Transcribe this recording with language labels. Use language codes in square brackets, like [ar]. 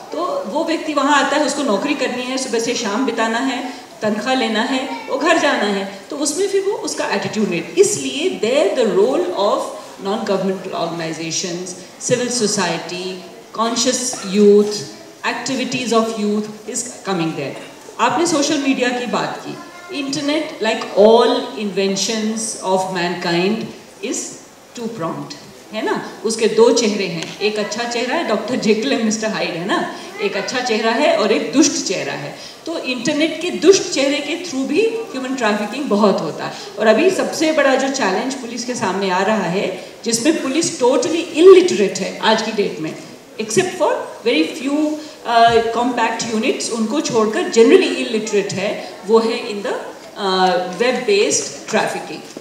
[hi] तो वो व्यक्ति वहाँ आता है, उसको नौकरी करनी है, सुबह से शाम बिताना है, तनख्वाह लेना है, वो घर जाना है, तो उसमें फिर वो उसका एटीट्यूड नहीं. [en] इसलिए there the role of non governmental organisations, civil society, conscious youth, activities of youth is coming there. [hi] आपने social media की बात की. [en] Internet, like all inventions of mankind, is two-pronged, है ना. [hi] उसके दो चेहरे हैं, एक अच्छा चेहरा है doctor Jekyll and mister hide, है ना, एक अच्छा चेहरा है और एक दुष्ट चेहरा है. तो इंटरनेट के दुष्ट चेहरे के थ्रू भी ह्यूमन ट्रैफिकिंग बहुत होता है. और अभी सबसे बड़ा जो चैलेंज पुलिस के सामने आ रहा है, जिसमें पुलिस टोटली इलिटरेट है आज की डेट में, [en] except for very few compact units, [hi] unko chhodkar generally illiterate hai, wo hai [en] in the web-based trafficking.